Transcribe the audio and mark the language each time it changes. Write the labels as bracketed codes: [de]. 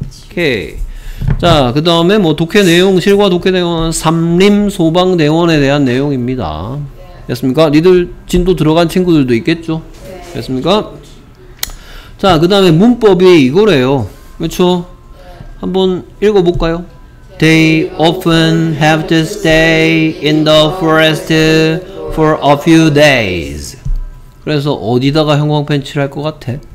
[ko] 오케이. 자, 그 다음에 뭐 독해 내용, 실과 독해 내용은 삼림소방대원에 대한 내용입니다. 됐습니까? 니들 진도 들어간 친구들도 있겠죠? 됐습니까? 자, 그 다음에 문법이 이거래요. 그렇죠? 한번 읽어볼까요? [en] They often have to stay in the forest for a few days. [ko] 그래서 어디다가 형광펜치를 할 것 같아?